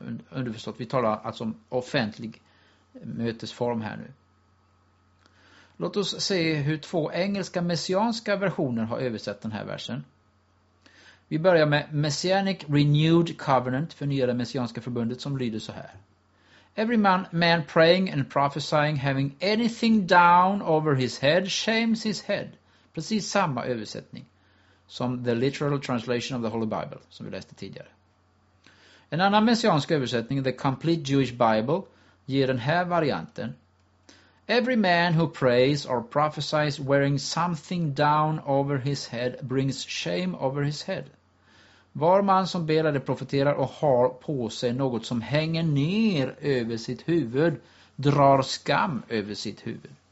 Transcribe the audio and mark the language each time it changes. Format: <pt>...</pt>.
<sv>Underförstått, vi talar alltså om offentlig mötesform här nu. Låt oss se hur två engelska messianska versioner har översatt den här versen. Vi börjar med Messianic Renewed Covenant, förnyade messianska förbundet, som lyder så här:</sv> <en>Every man praying and prophesying, having anything down over his head, shames his head.</en> <sv>Precis samma översättning som the literal translation of the Holy Bible, som vi läste tidigare. En annan messiansk översättning, The Complete Jewish Bible, ger den här varianten.</sv> <en>Every man who prays or prophesies wearing something down over his head brings shame over his head.</en> <sv>Var man som ber eller profeterar och har på sig något som hänger ner över sitt huvud drar skam över sitt huvud.</sv>